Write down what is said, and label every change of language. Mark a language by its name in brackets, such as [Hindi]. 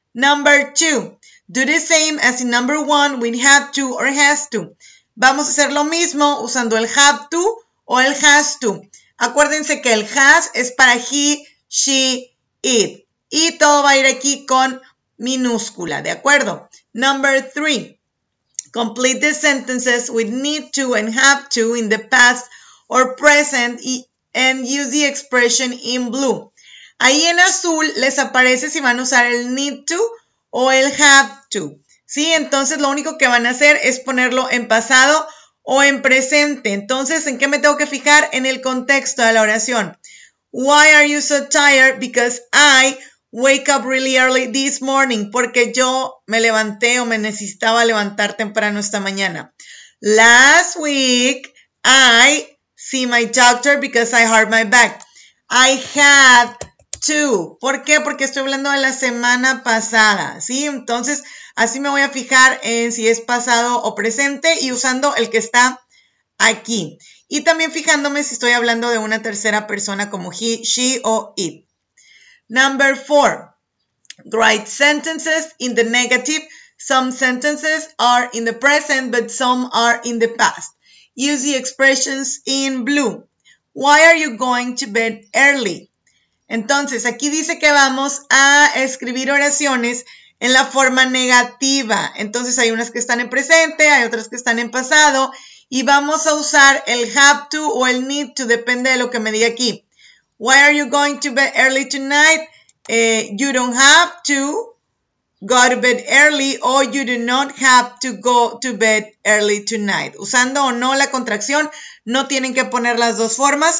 [English] Number two. Do the same as in number one, we have to or has to. [Spanish] Vamos a hacer lo mismo usando el have to o el has to. Acuérdense que el has es para he, she, it. Y todo va a ir aquí con minúscula, ¿de acuerdo? [English] Number three, complete the sentences with need to and have to in the past or present and use the expression in blue. [Spanish] Ahí en azul les aparece si van a usar el need to o el have to. ¿Sí? Entonces lo único que van a hacer es ponerlo en pasado o en presente. Entonces, ¿en qué me tengo que fijar? En el contexto de la oración. [English] Why are you so tired? Because I wake up really early this morning. [Spanish] Porque yo me levanté o me necesitaba levantar temprano esta mañana. [English] Last week, I see my doctor because I hurt my back. [Spanish] I had to. ¿Por qué? Porque estoy hablando de la semana pasada. ¿Sí? Entonces, así me voy a fijar en si es pasado o presente y usando el que está aquí. Y también fijándome si estoy hablando de una tercera persona como he, she o it. [English] Number four, write sentences in the negative. Some sentences are in the present, but some are in the past. Use the expressions in blue. Why are you going to bed early? [Spanish] Entonces, aquí dice que vamos a escribir oraciones en la forma negativa. Entonces, hay unas que están en presente, hay otras que están en pasado. Y vamos a usar el have to o el need to, depende de lo que me diga aquí. [English] Why are you going to bed early tonight? You don't have to go to bed early, or you do not have to go to bed early tonight. [Spanish] Usando o no la contracción, no tienen que poner las dos formas.